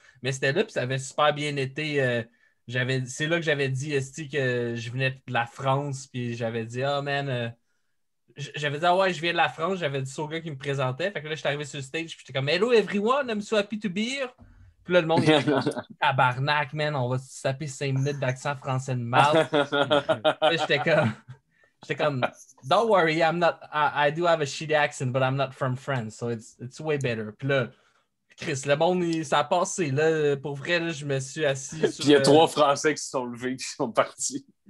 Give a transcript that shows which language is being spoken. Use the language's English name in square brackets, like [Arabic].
[French] Mais c'était là, puis ça avait super bien été. C'est là que j'avais dit, esti, que je venais de la France, puis j'avais dit, oh man. J'avais dit, ah ouais, je viens de la France, j'avais dit ça au gars qui me présentait. Fait que là, je suis arrivé sur le stage, puis j'étais comme, [English] hello everyone, I'm so happy to be here. [French] Puis là, le monde est tabarnak, man. On va se taper 5 minutes d'accent français de mal. J'étais comme, [English] don't worry, I'm not, I do have a shitty accent, but I'm not from France, so it's way better. [French] Puis là, Chris, le monde, ça a passé. Là, pour vrai, là, je me suis assis. Sur puis il y a 3 Français qui se sont levés, qui sont partis.